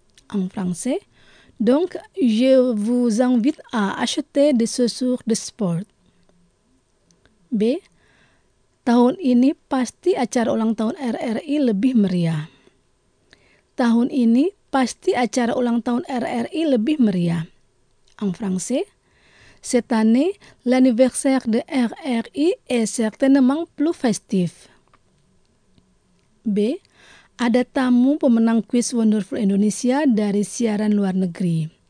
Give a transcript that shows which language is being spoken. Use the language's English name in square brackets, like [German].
[French] En français, donc je vous invite à acheter des chaussures de sport. B. [Indonesian] Tahun ini pasti acara ulang tahun RRI lebih meriah. Tahun ini pasti acara ulang tahun RRI lebih meriah. [French] En français, cette année, l'anniversaire de RRI est certainement plus festif. B. [Indonesian] Ada tamu pemenang kuis Wonderful Indonesia dari siaran luar negeri.